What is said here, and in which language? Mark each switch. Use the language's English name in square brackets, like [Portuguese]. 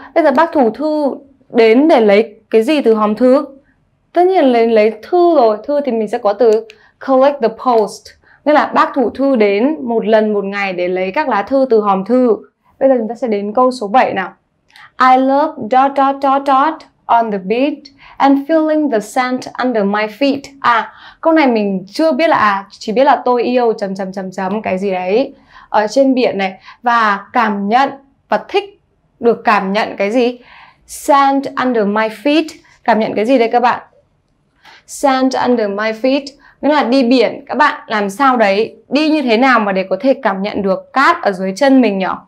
[Vietnamese] Bây giờ bác thủ thư đến để lấy cái gì từ hòm thư? Tất nhiên là lấy thư rồi. Thư thì mình sẽ có từ [English] collect the post. [Vietnamese] Nên là bác thủ thư đến một lần một ngày để lấy các lá thư từ hòm thư. Bây giờ chúng ta sẽ đến câu số 7 nào. [English] I love dot dot dot dot on the beach and feeling the sand under my feet. [Vietnamese] À, câu này mình chưa biết là, chỉ biết là tôi yêu chấm chấm chấm chấm cái gì đấy ở trên biển này, và cảm nhận và thích được cảm nhận cái gì? [English] Sand under my feet. [Vietnamese] Cảm nhận cái gì đây các bạn? [English] Sand under my feet [Vietnamese] nghĩa là đi biển, các bạn làm sao đấy, đi như thế nào mà để có thể cảm nhận được cát ở dưới chân mình nhỉ?